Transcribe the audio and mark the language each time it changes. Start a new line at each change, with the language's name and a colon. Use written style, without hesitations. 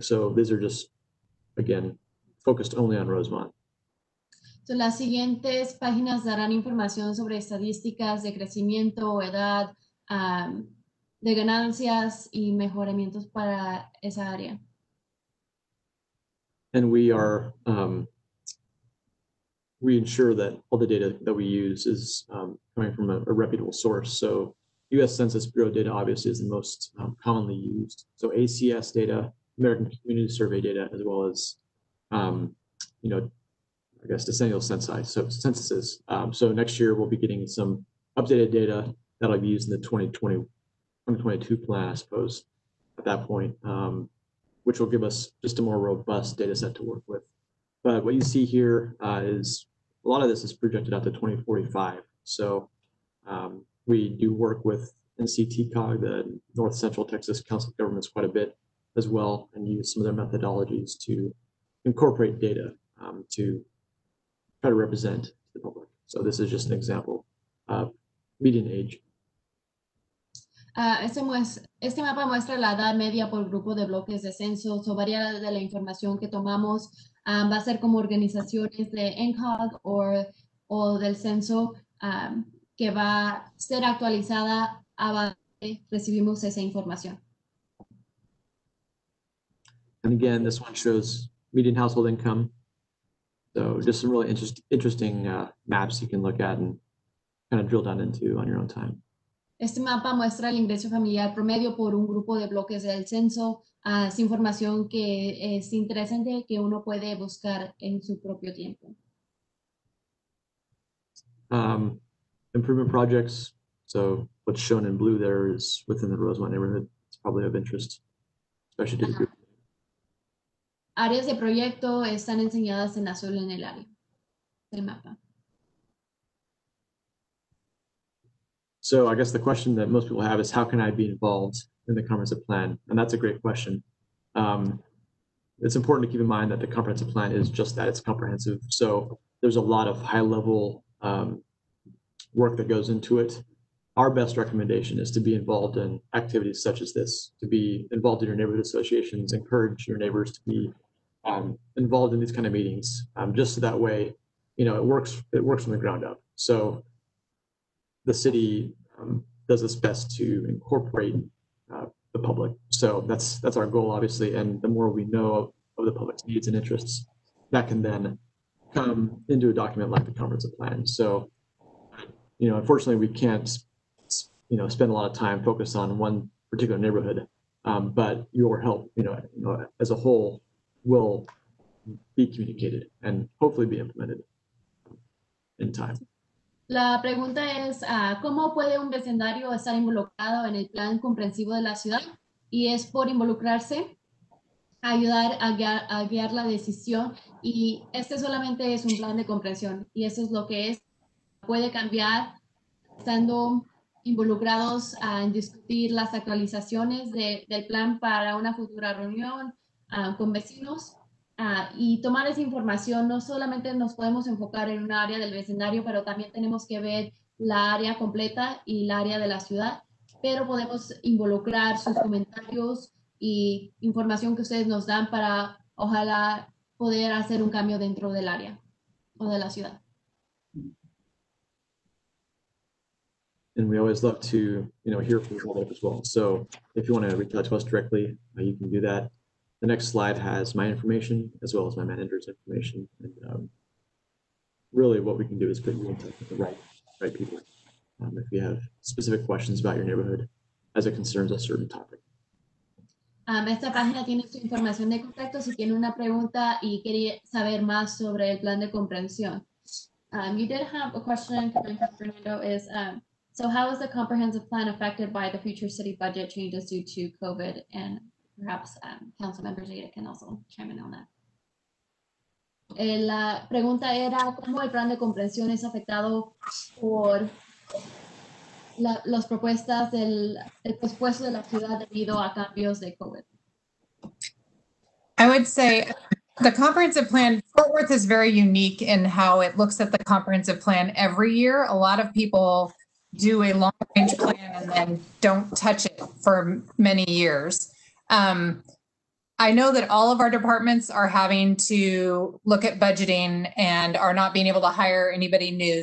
English: So these are just, again, focused only on Rosemont.
Spanish: So las siguientes páginas darán información sobre estadísticas de crecimiento, edad, de ganancias y mejoramientos para esa área.
English: And we are, we ensure that all the data that we use is coming from a reputable source. So U.S. Census Bureau data obviously is the most commonly used. So ACS data, American Community Survey data, as well as, you know, I guess decennial census, so censuses. So next year we'll be getting some updated data that'll be used in the 2022 plan, I suppose, at that point, which will give us just a more robust data set to work with. But what you see here is a lot of this is projected out to 2045. So we do work with NCTCOG, the North Central Texas Council of Governments, quite a bit as well, and use some of their methodologies to incorporate data to try to represent the public. So this is just an example of median age.
Spanish: Este mapa muestra la edad media por grupo de bloques de censo. So varía de la información que tomamos. Va a ser como organizaciones de NCOG o del censo que va a ser actualizada a base recibimos esa información.
English: And again, this one shows median household income. So just some really interesting maps you can look at and kind of drill down into on your own time.
Spanish: Este mapa muestra el ingreso familiar promedio por un grupo de bloques del censo. Es información que es interesante que uno puede buscar en su propio tiempo.
English: Improvement projects. So what's shown in blue there is within the Rosemont neighborhood. It's probably of interest, especially to the group.
Spanish: Áreas de proyecto están enseñadas en azul en el área del mapa.
English: So I guess the question that most people have is how can I be involved in the comprehensive plan? And that's a great question. It's important to keep in mind that the comprehensive plan is just that, it's comprehensive. So there's a lot of high level work that goes into it. Our best recommendation is to be involved in activities such as this, to be involved in your neighborhood associations, encourage your neighbors to be involved in these kind of meetings, just so that way, you know, it works from the ground up. So the city does its best to incorporate the public. So that's our goal, obviously. And the more we know of the public's needs and interests, that can then come into a document like the comprehensive plan. So, you know, unfortunately we can't, you know, spend a lot of time focused on one particular neighborhood, but your help, you know, as a whole will be communicated and hopefully be implemented in time.
Spanish: La pregunta es, ¿cómo puede un vecindario estar involucrado en el plan comprensivo de la ciudad? Y es por involucrarse, ayudar a guiar la decisión. Y este solamente es un plan de comprensión. Y eso es lo que es. Puede cambiar estando involucrados en discutir las actualizaciones del plan para una futura reunión con vecinos. Y tomar esa información, no solamente nos podemos enfocar en un área del vecindario, pero también tenemos que ver la área completa y la área de la ciudad, pero podemos involucrar sus comentarios y información que ustedes nos dan para ojalá poder hacer un cambio dentro del área o de la ciudad.
English: And we always love to, you know, hear from you all as well. So if you want to reach out to us directly, you can do that. The next slide has my information as well as my manager's information. And really what we can do is put you in touch with the right people if you have specific questions about your neighborhood as it concerns a certain topic.
Spanish: Esta página tiene su información de contacto si tiene una pregunta y quiere saber más sobre el plan de comprensión.
English: You did have a question coming from Fernando is, so how is the comprehensive plan affected by the future city budget changes due to COVID? And perhaps council member Jada can also chime in on that.
Spanish: La pregunta era cómo el plan de comprensión es afectado por las propuestas del presupuesto de la ciudad debido a cambios de COVID.
English: I would say the comprehensive plan, Fort Worth is very unique in how it looks at the comprehensive plan every year. A lot of people do a long range plan and then don't touch it for many years. I know that all of our departments are having to look at budgeting and are not being able to hire anybody new.